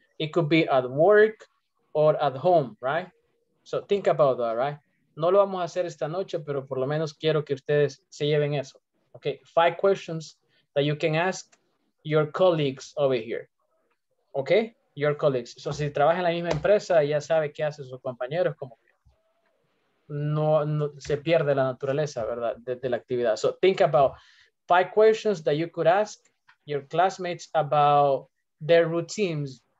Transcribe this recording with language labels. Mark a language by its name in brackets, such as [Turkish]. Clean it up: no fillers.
[English] It could be at work or at home, right? So think about that, right? [Spanish] No lo vamos a hacer esta noche, pero por lo menos quiero que ustedes se lleven eso. [English] Okay, 5 questions that you can ask your colleagues over here. Okay, your colleagues. [Spanish] So si trabaja en la misma empresa, ya sabe qué hacen sus compañeros, como no se pierde la naturaleza, ¿verdad? De la actividad. [English] So think about 5 questions that you could ask your classmates about their routines.